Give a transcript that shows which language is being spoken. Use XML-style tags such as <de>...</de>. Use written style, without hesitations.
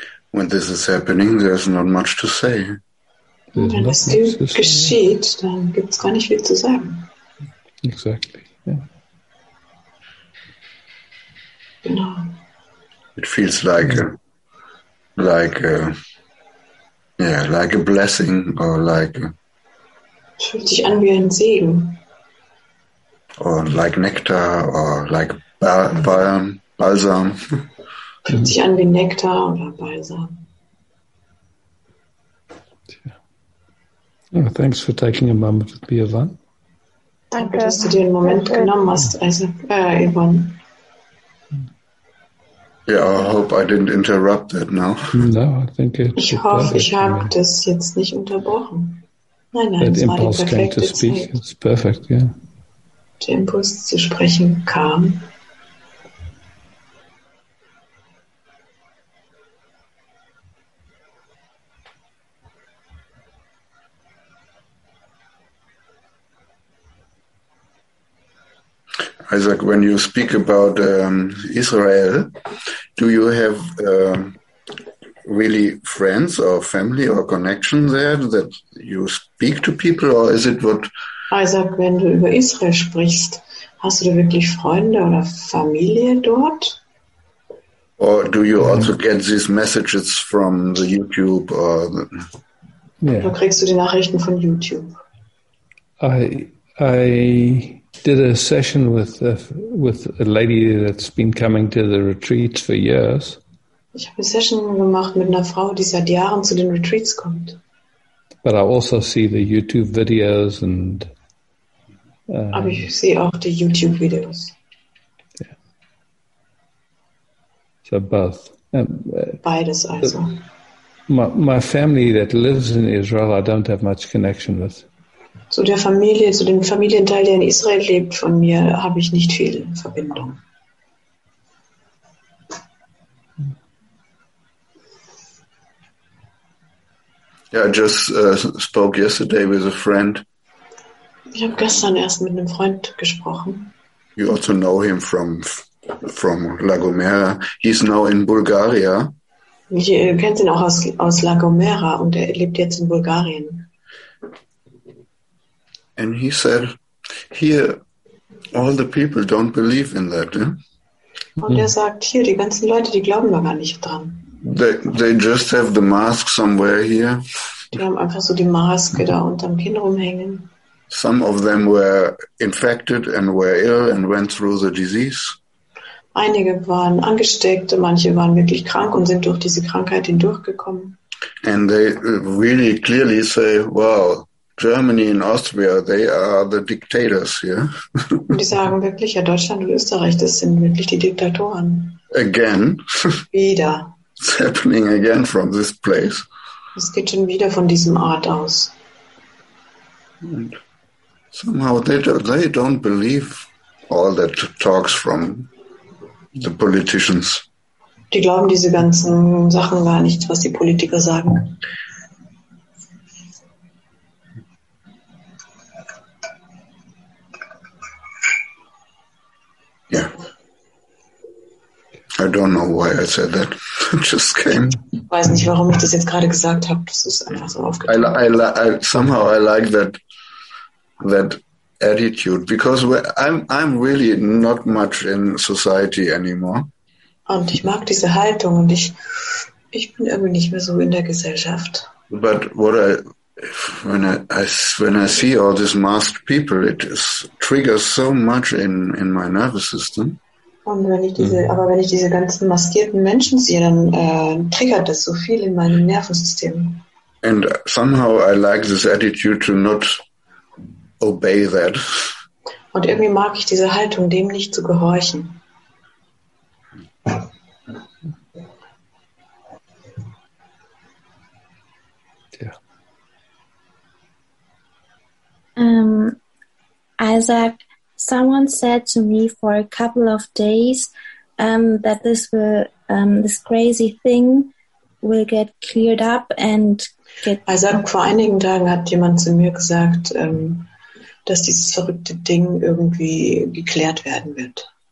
<en>When this is happening, there's not much to say.</en> <de>Wenn es dir geschieht, dann gibt es gar nicht viel zu sagen.</de> <en>Exactly, yeah. It feels like a blessing or like</en> <de>a, fühlt sich an wie ein Segen.</de> <en>Or like nectar or like balsam.</en> <de>Fühlt sich an wie Nektar oder Balsam.</de> <en>Oh, thanks for taking a moment with me, Yvonne.</en> <de>Danke, dass du dir einen Moment genommen hast, also, Yvonne.</de> <en>Yeah, I hope I didn't interrupt that now. No, I think it's</en> <de>ich hoffe, ich habe das jetzt nicht unterbrochen. Nein, es war die perfekte</de> <en>to speak.</en> <de>Zeit.</de> <en>It's perfect, yeah.</en> <de>Der Impuls zu sprechen kam.</de> <en>Isaac, when you speak about Israel, do you have really friends or family or connection there that you speak to people, or is it what?</en> <de>Isaac, wenn du über Israel sprichst, hast du da wirklich Freunde oder Familie dort?</de> <en>Or do you also get these messages from the YouTube? Or the...</en> <de>Yeah. Oder kriegst du die Nachrichten von YouTube?</de> <en>I did a session with a lady that's been coming to the retreats for years.</en> <de>Ich habe eine Session gemacht mit einer Frau, die seit Jahren zu den Retreats kommt.</de> <en>But I also see the YouTube videos and.</en> <de>Aber ich sehe auch die YouTube Videos.</de> <en>Yeah. So both.</en> <de>Beides also.</de> <en>My family that lives in Israel, I don't have much connection with.</en> <de>So der Familie, zu dem Familienteil, der in Israel lebt, von mir habe ich nicht viel Verbindung.</de> <en>Yeah, I just spoke yesterday with a friend.</en> <de>Ich habe gestern erst mit einem Freund gesprochen.</de> <en>You also know him from La Gomera. He's now in Bulgaria.</en> <de>Ich kenne ihn auch aus La Gomera und er lebt jetzt in Bulgarien.</de> <en>And he said, here, all the people don't believe in that. Eh?</en> <de>Und er sagt, hier, die ganzen Leute, die glauben da gar nicht dran.</de> <en>They just have the mask somewhere here.</en> <de>Die haben einfach so die Maske da unterm Kinn rumhängen.</de> <en>Some of them were infected and were ill and went through the disease.</en> <de>Einige waren angesteckt, manche waren wirklich krank und sind durch diese Krankheit hindurchgekommen.</de> <en>And they really clearly say, wow, Germany and Austria, they are the dictators here.</en> <de>Und die sagen wirklich, ja, Deutschland und Österreich, das sind wirklich die Diktatoren.</de> <en>Again.</en> <de>Wieder.</de> <en>It's happening again from this place.</en> <de>Es geht schon wieder von diesem Ort aus.</de> <en>And somehow they don't believe all that talks from the politicians.</en> <de>Die glauben diese ganzen Sachen gar nicht, was die Politiker sagen.</de> <en>Yeah. I don't know why I said that. It just came.</en> <de>Ich weiß nicht, warum ich das jetzt gerade gesagt habe. Das ist einfach so aufgetaucht.</de> <en>Somehow I like that attitude, because I'm really not much in society anymore.</en> <de>Und ich mag diese Haltung und ich bin irgendwie nicht mehr so in der Gesellschaft.</de> <en>But what when I see all these masked people, it triggers so much in my nervous system.</en> <de>Und wenn ich diese, aber wenn ich diese ganzen maskierten Menschen sehe, dann triggert das so viel in meinem Nervensystem.</de> <en>And somehow I like this attitude to not obey that.</en> <de>Und irgendwie mag ich diese Haltung, dem nicht zu gehorchen.</de> <en>Isaac, someone said to me for a couple of days that this crazy thing will get cleared up and get.</en> <de>Isaac, vor einigen Tagen hat jemand zu mir gesagt, dass dieses verrückte Ding irgendwie geklärt werden wird.</de>